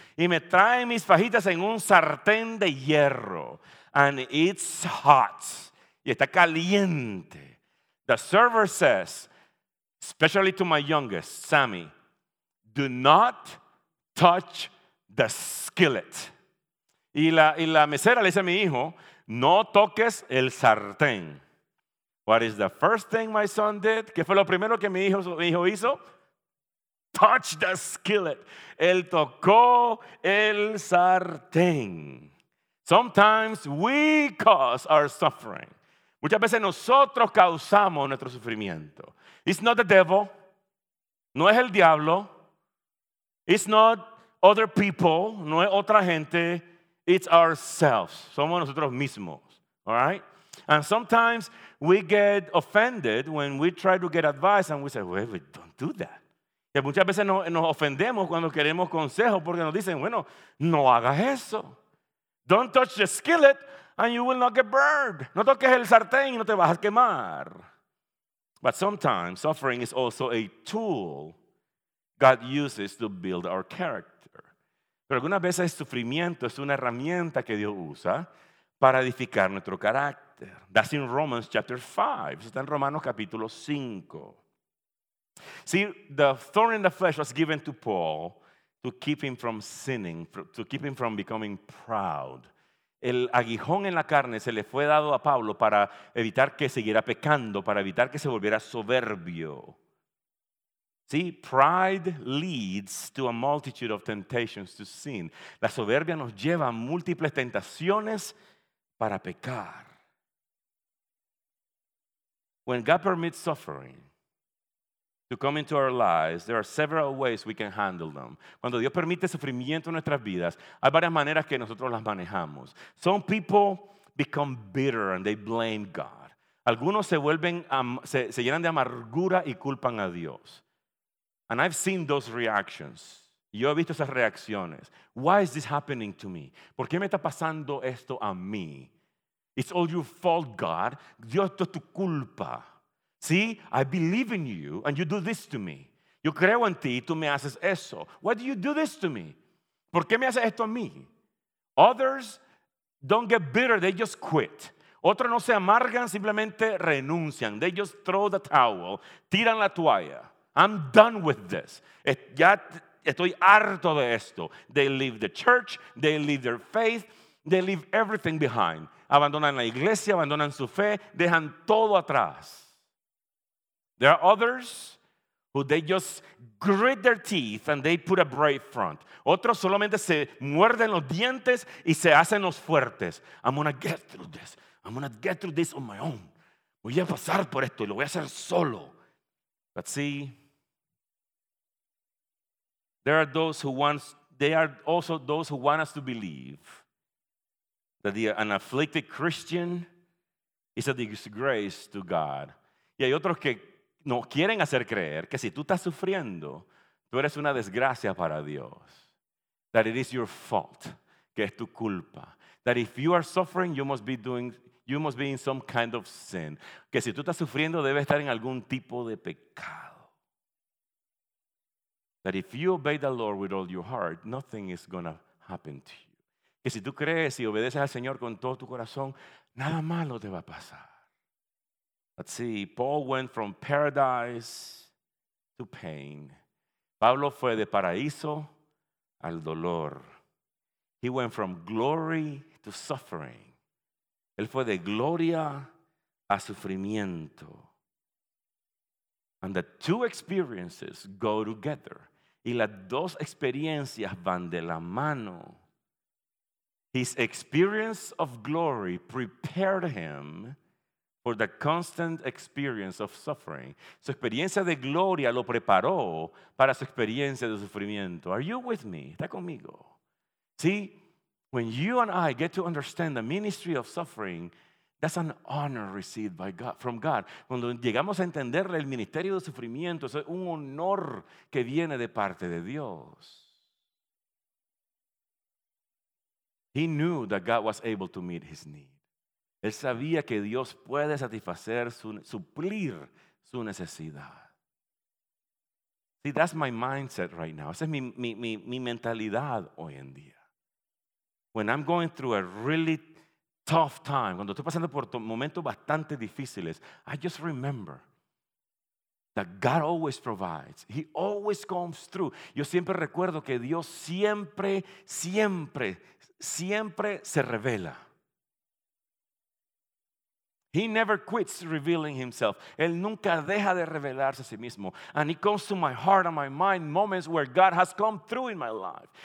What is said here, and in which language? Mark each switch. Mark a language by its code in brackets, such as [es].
[es] Y me traen mis fajitas en un sartén de hierro. [en] And it's hot. [es] Y está caliente. [en] The server says, especially to my youngest, Sammy, do not touch the skillet. [es] Y la mesera le dice a mi hijo, no toques el sartén. [en] What is the first thing my son did? [es] ¿Qué fue lo primero que mi hijo hizo? [en] Touch the skillet. [es] Él tocó el sartén. [en] Sometimes we cause our suffering. [es] Muchas veces nosotros causamos nuestro sufrimiento. [en] It's not the devil. [es] No es el diablo. [en] It's not other people. [es] No es otra gente. [en] It's ourselves. [es] Somos nosotros mismos. [en] All right? And sometimes we get offended when we try to get advice and we say, well, wait, don't do that. [es] Y muchas veces nos ofendemos cuando queremos consejo porque nos dicen, bueno, no hagas eso. [en] Don't touch the skillet and you will not get burned. [es] No toques el sartén y no te vas a quemar. [en] But sometimes suffering is also a tool God uses to build our character. [es] Pero algunas veces el sufrimiento es una herramienta que Dios usa para edificar nuestro carácter. [en] That's in Romans chapter 5. [es] Está en Romanos capítulo 5. [en] See, the thorn in the flesh was given to Paul to keep him from sinning, to keep him from becoming proud. [es] El aguijón en la carne se le fue dado a Pablo para evitar que siguiera pecando, para evitar que se volviera soberbio. [en] See, pride leads to a multitude of temptations to sin. [es] La soberbia nos lleva a múltiples tentaciones para pecar. [en] When God permits suffering to come into our lives, there are several ways we can handle them. [es] Cuando Dios permite sufrimiento en nuestras vidas, hay varias maneras que nosotros las manejamos. [en] Some people become bitter and they blame God. [es] Algunos se llenan de amargura y culpan a Dios. [en] And I've seen those reactions. [es] Yo he visto esas reacciones. [en] Why is this happening to me? [es] ¿Por qué me está pasando esto a mí? [en] It's all your fault, God. [es] Dios, esto es tu culpa. [en] See, I believe in you and you do this to me. [es] Yo creo en ti y tú me haces eso. [en] Why do you do this to me? [es] ¿Por qué me haces esto a mí? [en] Others don't get bitter, they just quit. [es] Otros no se amargan, simplemente renuncian. [en] They just throw the towel, [es] tiran la toalla. [en] I'm done with this. [es] Ya estoy harto de esto. [en] They leave the church, they leave their faith, they leave everything behind. [es] Abandonan la iglesia, abandonan su fe, dejan todo atrás. [en] There are others who they just grit their teeth and they put a brave front. [es] Otros solamente se muerden los dientes y se hacen los fuertes. [en] I'm going to get through this. I'm going to get through this on my own. [es] Voy a pasar por esto y lo voy a hacer solo. [en] But see, there are also those who want us to believe that an afflicted Christian is a disgrace to God. [es] Y hay otros que no quieren hacer creer que si tú estás sufriendo, tú eres una desgracia para Dios. [en] That it is your fault, [es] que es tu culpa. [en] That if you are suffering, you must be in some kind of sin. [es] Que si tú estás sufriendo, debes estar en algún tipo de pecado. [en] That if you obey the Lord with all your heart, nothing is going to happen to you. [es] Que si tú crees y obedeces al Señor con todo tu corazón, nada malo te va a pasar. [en] Let's see, Paul went from paradise to pain. [es] Pablo fue de paraíso al dolor. [en] He went from glory to suffering. [es] Él fue de gloria a sufrimiento. [en] And the two experiences go together. [es] Y las dos experiencias van de la mano. [en] His experience of glory prepared him for the constant experience of suffering. [es] Su experiencia de gloria lo preparó para su experiencia de sufrimiento. [en] Are you with me? [es] ¿Está conmigo? [en] See, when you and I get to understand the ministry of suffering, That's an honor received by God, from God. [es] Cuando llegamos a entender el ministerio de sufrimiento, es un honor que viene de parte de Dios. [en] He knew that God was able to meet his need. [es] Él sabía que Dios puede satisfacer, suplir su necesidad. [en] See, that's my mindset right now. [es] Esa es mi mentalidad hoy en día. [en] When I'm going through a really tough time, [es] cuando estoy pasando por momentos bastante difíciles, [en] I just remember that God always provides. He always comes through. [es] Yo siempre recuerdo que Dios siempre, siempre, siempre se revela. [en] He never quits revealing himself. [es] Él nunca deja de revelarse a sí mismo. [en] And he comes to my heart and my mind moments where God has come through in my life.